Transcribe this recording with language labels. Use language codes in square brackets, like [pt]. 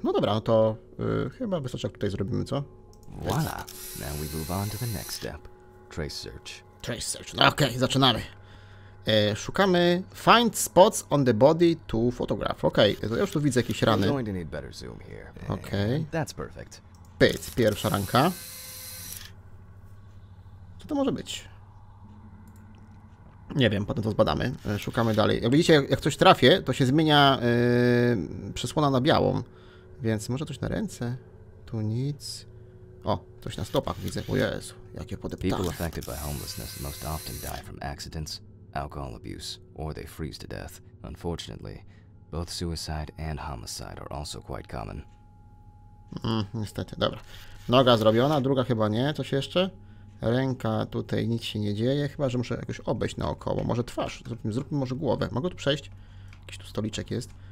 [pl] No dobra, no to chyba wystarczy, jak tutaj zrobimy, co? [fr] Voila. [en] Now we move on to the next step. Trace search. Trace search. [pl] No, okej, zaczynamy. [en] Szukamy find spots on the body to photograph. [pl] Okej, to ja już tu widzę jakieś rany. [en] You're going to need better zoom here. [pl] Okej. [en] That's perfect. [pl] Pyt, pierwsza ranka. Co to może być? Nie wiem, potem to zbadamy. Szukamy dalej. Jak widzicie, jak coś trafię, to się zmienia przesłona na białą. Więc może coś na ręce? Tu nic. O, coś na stopach widzę. O Jezu, jakie podeptane. [en] People affected by homelessness most often die from accidents, alcohol abuse, or they freeze to death. Unfortunately, both suicide and homicide are also quite common. [pl] Niestety, dobra. Noga zrobiona, druga chyba nie. Coś jeszcze? Ręka, tutaj nic się nie dzieje, chyba że muszę jakoś obejść naokoło. Może twarz, zróbmy może głowę. Mogę tu przejść? Jakiś tu stoliczek jest.